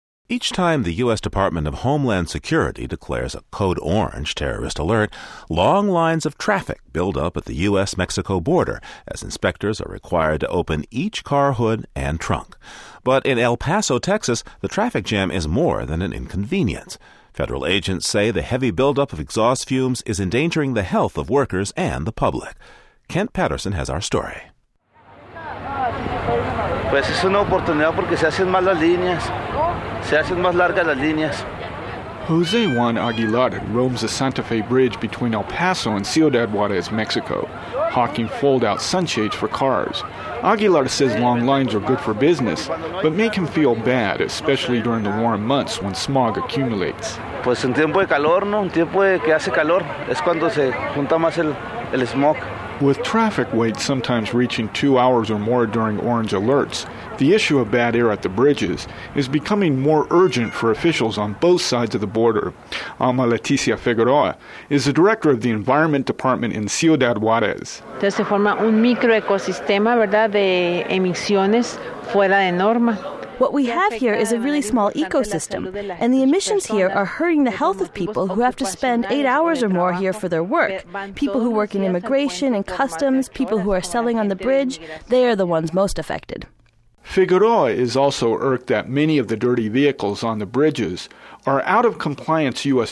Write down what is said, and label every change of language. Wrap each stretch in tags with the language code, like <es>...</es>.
<en>Each time the U.S. Department of Homeland Security declares a Code Orange terrorist alert, long lines of traffic build up at the U.S.-Mexico border as inspectors are required to open each car hood and trunk. But in El Paso, Texas, the traffic jam is more than an inconvenience. Federal agents say the heavy buildup of exhaust fumes is endangering the health of workers and the public. Kent Patterson has our story.</en> <es>Pues es una oportunidad porque se hacen más las líneas. Se hacen más largas las líneas.</es> <en>Jose Juan Aguilar roams the Santa Fe Bridge between El Paso and Ciudad Juarez, Mexico, hawking fold-out sunshades for cars. Aguilar says long lines are good for business, but make him feel bad, especially during the warm months when smog accumulates.</en> <es>Pues en tiempo de calor, ¿no? En tiempo de que hace calor, es cuando se junta más el smog.</es> <en>With traffic waits sometimes reaching 2 hours or more during orange alerts, the issue of bad air at the bridges is becoming more urgent for officials on both sides of the border. Alma Leticia Figueroa is the director of the Environment Department in Ciudad Juarez.</en> <es>Entonces se forma un microecosistema, ¿verdad?, de emisiones fuera de norma.</es> <en>What we have here is a really small ecosystem, and the emissions here are hurting the health of people who have to spend 8 hours or more here for their work. People who work in immigration and customs, people who are selling on the bridge, they are the ones most affected. Figueroa is also irked that many of the dirty vehicles on the bridges are out-of-compliance U.S.</en>